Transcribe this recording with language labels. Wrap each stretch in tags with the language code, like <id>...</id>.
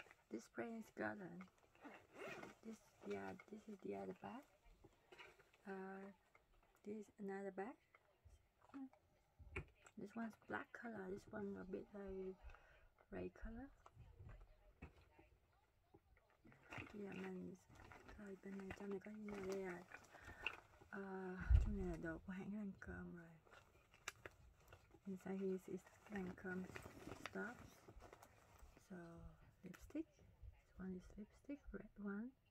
<en>This brand is Garden. This is the other bag. This is another bag. This one's black color. This one a bit like red color. Yeah, man.</en> <vi>Rồi bên này trong này có như này đây à. Trong này là đồ của hãng Lancôme rồi.</vi> <en>Inside here is Lancôme stuffs. So lipstick. This one is lipstick, red one.</en>